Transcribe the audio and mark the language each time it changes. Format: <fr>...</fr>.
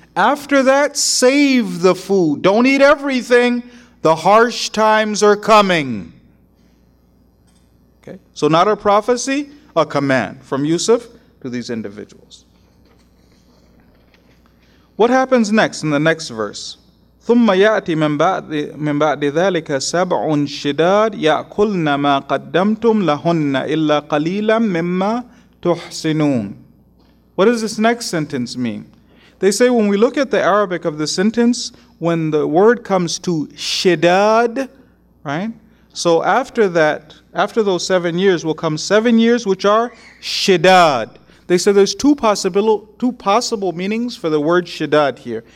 <en>After that, save the food. Don't eat everything. The harsh times are coming. Okay, so not a prophecy, a command from Yusuf to these individuals. What happens next in the next verse?</en> <ar>ثُمَّ يَأْتِ مِنْ بَعْدِ ذَلِكَ سَبْعٌ شِدَادٌ يَأْكُلْنَ مَا قَدَّمْتُمْ لَهُنَّ إِلَّا قَلِيلًا مِمَّا تُحْسِنُونَ</ar> <en>What does this next sentence mean? They say when we look at the Arabic of the sentence, when the word comes to shiddad, right? So after that, after those 7 years will come 7 years which are shiddad. They say there's two possible meanings for the word shiddad here.</en>